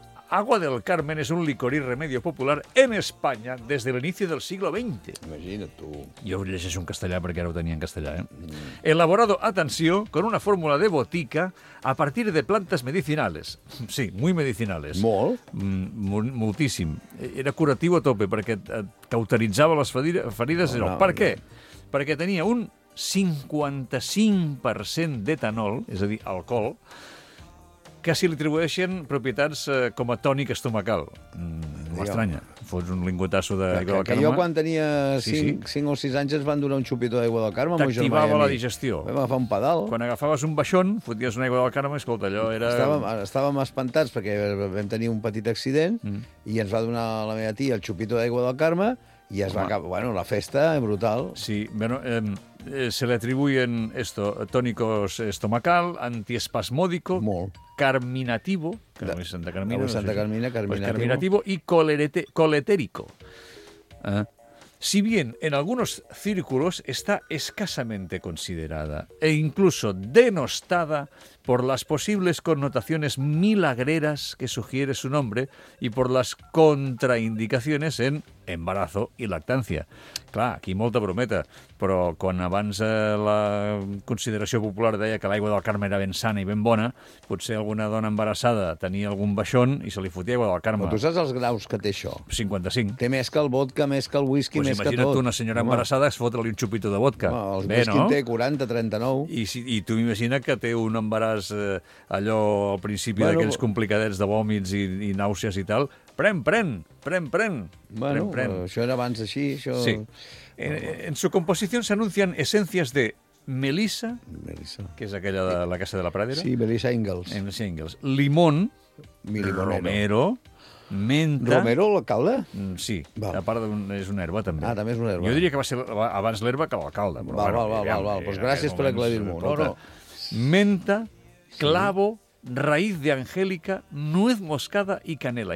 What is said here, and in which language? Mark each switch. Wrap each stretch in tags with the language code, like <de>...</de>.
<es>Agua del Carmen es un licor y remedio popular en España desde el inicio del siglo XX.</es> <ca>Imagina't tu. Jo ho llegeixo en castellà perquè ara ho tenia en castellà, eh? Mm.</ca> <es>Elaborado, atenció, con una fórmula de botica a partir de plantes medicinales. Sí, muy medicinales.</es> <ca>Molt? Moltíssim. Era curatiu a tope perquè cauteritzava les ferides. No, no, per què? Perquè tenia un 55% d'etanol, és a dir, alcohol, que s'hi atribueixen propietats com a tònic estomacal. M'estranya. Fos un lingotasso d'aigua del Carme. Jo quan tenia 5 o 6 anys ens van donar un xupito d'aigua del Carme. T'activava la digestió. Vam agafar un pedal. Quan agafaves un baixón, foties una aigua del Carme, escolta, allò era... Estàvem espantats perquè vam tenir un petit accident i ens va donar la meva tia el xupito d'aigua del Carme i es va acabar, bueno, la festa, brutal.</ca> <es>Sí, bueno... se le atribuyen esto, tónicos estomacal, antiespasmódico,</es> <ca>molt. Carminativo, que no és Santa Carmina, no Santa Carmina, carminativo.</ca> <es>Pues carminativo y coletérico. Si bien en algunos círculos está escasamente considerada e incluso denostada por las posibles connotaciones milagreras que sugiere su nombre y por las contraindicaciones en embarazo y lactancia.</es> <ca>Clar, aquí molta brometa, però quan abans la consideració popular deia que l'aigua del Carme era ben sana i ben bona, potser alguna dona embarassada tenia algun baixón i se li fotia aigua del Carme. Però tu saps els graus que té això? 55. Té més que el vodka, més que el whisky, pues més que tot. Imagina't una senyora embarassada es fotre-li un xupito de vodka. Home, el whisky té 40, 39. I tu imagina't que té un embaràs allò al principi, bueno, d'aquells complicadets de vòmits i nàusees i tal... Pren. Bueno, pren. Això era abans així, això...</ca> <es>Sí. En su composición se anuncian esencias de melissa,</es> <ca>que és aquella de la Casa de la Pradera. Sí, melissa Ingalls.</ca> <es>Melissa Ingalls. Limón. Milimonero. Romero. Menta.</es> <ca>Romero, l'alcalde? Sí, val. A part és una herba, també. Ah, també és una herba. Jo diria que va ser abans l'herba que l'alcalde. Val. Pues gràcies per aclarir-m'ho. No.</ca> <es>Menta, clavo... Sí. Raíz de angélica, nuez moscada y canela.</es>